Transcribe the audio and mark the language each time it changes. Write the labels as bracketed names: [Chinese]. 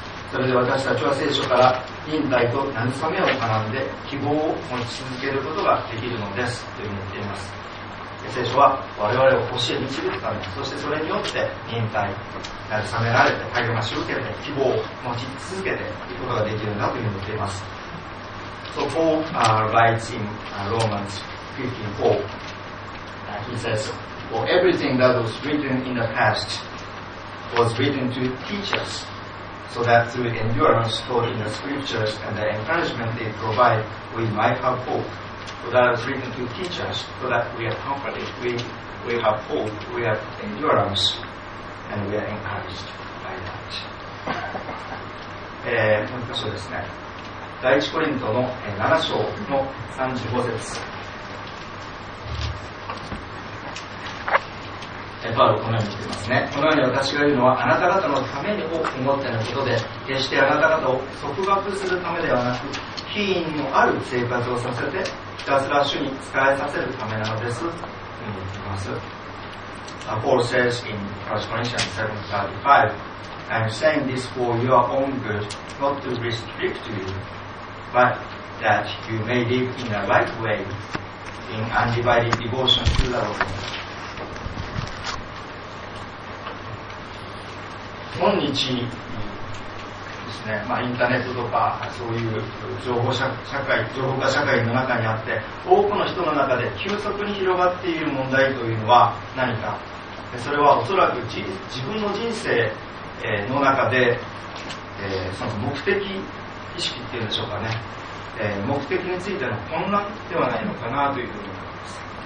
[Japanese] それで私たちは聖書から忍耐と慰めを学んで希望を持ち続けることができるのですというふうに言っています。聖書は我々を教え導くため、そしてそれによって忍耐慰められて励ましを受けて希望を持ち続けていくことができるんだというふうに言っています。 [English] So Paul writes in Romans 15:4He says, for everything that was written in the past was written to teach us, so that through endurance taught in the scriptures and the encouragement they provide, we might have hope. For that was written to teach us, so that we are comforted, we have hope, we have endurance, and we are encouraged by that. [Japanese] もう一箇所ですね。第一コリントの7章の35節。パウロこのように言っていますね。このように私が言うのはあなた方のためにを思ってのことで、決してあなた方を束縛するためではなく、品位のある生活をさせてひたすら主に仕えさせるためなのですと言っています。 [English] Paul says in 1 Corinthians 7:35 I'm saying this for your own good, not to restrict you, but that you may live in the right way, in undivided devotion to the Lord. [Japanese] 今日ですね、まあ、インターネットとかそういう情報社会、情報化社会の中にあって、多くの人の中で急速に広がっている問題というのは何か。それはおそらく自分の人生の中で、その目的意識っていうんでしょうかね、目的についての混乱ではないのかなというふうに思います。